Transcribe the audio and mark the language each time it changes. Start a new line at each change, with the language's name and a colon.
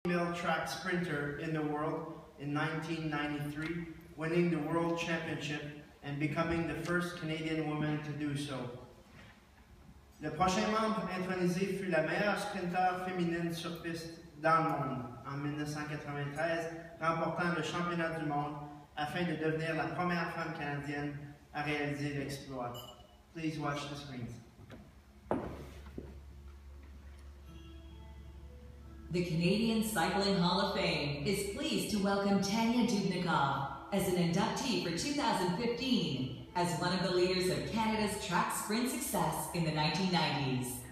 English: female track sprinter in the world in 1993, winning the world championship and becoming the first Canadian woman to do so.
French: Le prochain membre intronisé fut la meilleure sprinteur féminine sur piste dans le monde en 1993, remportant le championnat du monde afin de devenir la première femme canadienne à réaliser l'exploit.
English: Please watch the screens. The Canadian Cycling Hall of Fame is pleased to welcome Tanya Dubnicoff as an inductee for 2015 as one of the leaders of Canada's track sprint success in the 1990s.